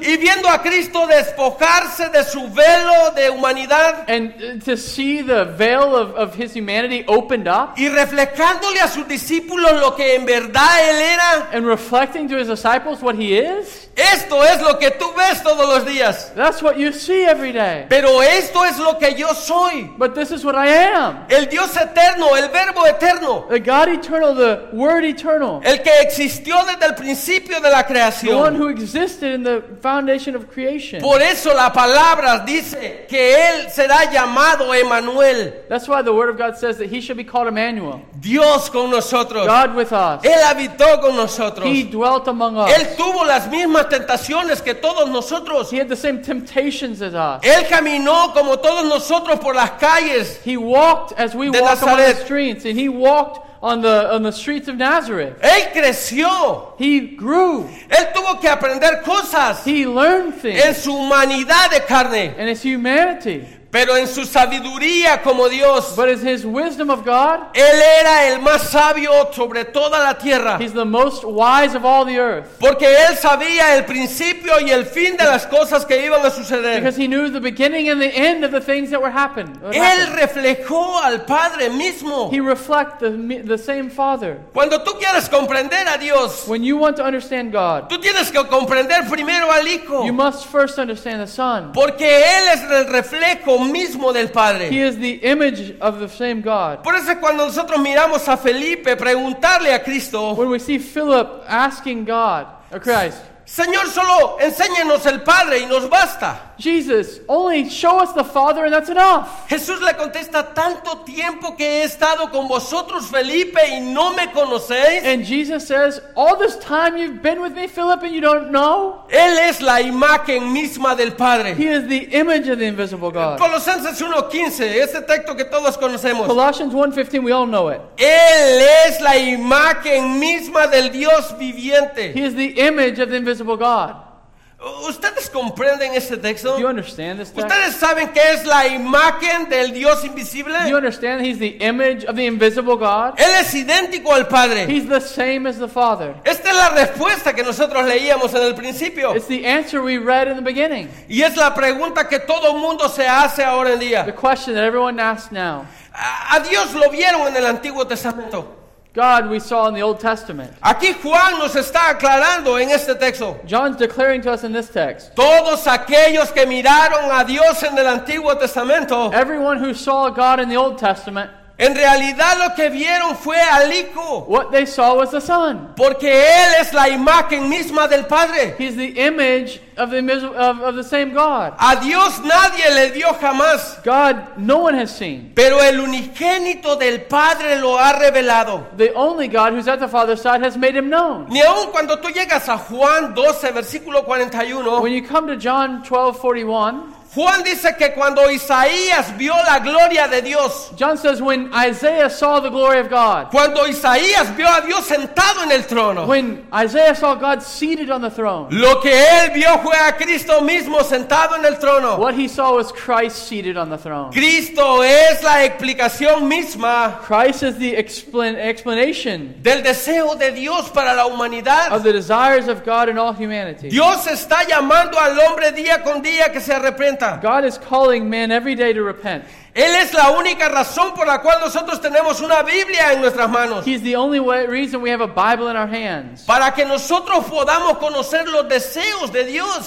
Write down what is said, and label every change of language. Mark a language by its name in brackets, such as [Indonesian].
[Spanish] Y viendo a Cristo despojarse de su velo de humanidad. [English] And to see the veil of his humanity opened up. [Spanish] Y reflejándole a sus discípulos lo que en verdad él era. [English] And reflecting to his disciples what he is. [Spanish] Esto es lo que tú ves todos los días. [English] That's what you see every day. [Spanish] Pero esto es lo que yo soy. [English] But this is what I am. [Spanish] El Dios eterno, el Verbo eterno. [English] The God eternal, the Word eternal. [Spanish] El que existió desde el principio de la creación. [English] The one who existed in the foundation of creation. [Spanish] Por eso la palabra dice que él será llamado Emmanuel. [English] That's why the word of God says that he shall be called Emmanuel. [Spanish] Dios con nosotros. [English] God with us. [Spanish] Él habitó con nosotros. [English] He dwelt among us. [Spanish] Él tuvo las mismas tentaciones que todos nosotros. [English] He had the same temptations as us. [Spanish] Él caminó como todos nosotros por las calles. [English] He walked as we walk along the streets, and he walked on the streets of Nazareth. [Spanish] Él creció. [English] He grew. [Spanish] Él tuvo que aprender cosas. [English] He learned things. [Spanish] En su humanidad de carne. [English] In his humanity. [Spanish] Pero en su sabiduría como Dios. [English] But in his wisdom of God. [Spanish] Él era el más sabio sobre toda la tierra. [English] He's the most wise of all the earth. [Spanish] Porque él sabía el principio y el fin de las cosas que iban a suceder. [English] Because he knew the beginning and the end of the things that were happening. [Spanish] Él reflejó al Padre mismo. [English] He reflect the same Father. [Spanish] Cuando tú quieres comprender a Dios. [English] When you want to understand God. [Spanish] Tú tienes que comprender primero al Hijo. [English] You must first understand the Son. [Spanish] Porque él es el reflejo mismo del Padre. [English] He is the image of the same God. [Spanish] Por eso cuando nosotros miramos a Felipe preguntarle a Cristo. [English] When we see Philip asking God, or Christ, [Spanish] Señor, solo enséñenos el Padre y nos basta. [English] Jesus, only show us the Father and that's enough. [Spanish] Jesús le contesta, tanto tiempo que he estado con vosotros, Felipe, y no me conocéis. [English] And Jesus says, all this time you've been with me, Philip, and you don't know? [Spanish] Él es la imagen misma del Padre. [English] He is the image of the invisible God. [Spanish] Colosenses 1:15, ese texto que todos conocemos. [English] Colossians 1:15, we all know it. [Spanish] Él es la imagen misma del Dios viviente. [English] He is the image of the invisible God. [Spanish] ¿Ustedes comprenden ese texto? [English] Do you understand this text? [Spanish] ¿Ustedes saben qué es la imagen del Dios invisible? [English] Do you understand he's the image of the invisible God? [Spanish] Él es idéntico al Padre. [English] He's the same as the Father. [Spanish] Esta es la respuesta que nosotros leíamos en el principio. [English] It's the answer we read in the beginning. [Spanish] Y es la pregunta que todo mundo se hace ahora en día. [English] The question that everyone asks now. [Spanish] ¿A Dios lo vieron en el Antiguo Testamento? [English] God we saw in the Old Testament. [Spanish] Aquí Juan nos está aclarando en este texto. [English] John's declaring to us in this text. [Spanish] Todos aquellos que miraron a Dios en el Antiguo Testamento. [English] Everyone who saw God in the Old Testament. [Spanish] En realidad lo que vieron fue al Hijo. [English] What they saw was the Son. [Spanish] Porque él es la imagen misma del Padre. [English] He's the image of the same God. [Spanish] A Dios nadie le vio jamás. [English] God, no one has seen. [Spanish] Pero el unigénito del Padre lo ha revelado. [English] The only God who's at the Father's side has made him known. [Spanish] Ni aun cuando tú llegas a Juan 12, versículo 41. [English] When you come to John 12, 41. [Spanish] Juan dice que cuando Isaías vio la gloria de Dios. [English] John says when Isaiah saw the glory of God. [Spanish] Cuando Isaías vio a Dios sentado en el trono. [English] When Isaiah saw God seated on the throne. [Spanish] Lo que él vio fue a Cristo mismo sentado en el trono. [English] What he saw was Christ seated on the throne. [Spanish] Cristo es la explicación misma. [English] Christ is the explanation. [Spanish] Del deseo de Dios para la humanidad. [English] Of the desires of God in all humanity. [Spanish] Dios está llamando al hombre día con día que se arrepienta. [English] God is calling man every day to repent. [Spanish] Él es la única razón por la cual nosotros tenemos una Biblia en nuestras manos. [English] He's the only reason we have a Bible in our hands. [Spanish] Para que nosotros podamos conocer los deseos de Dios.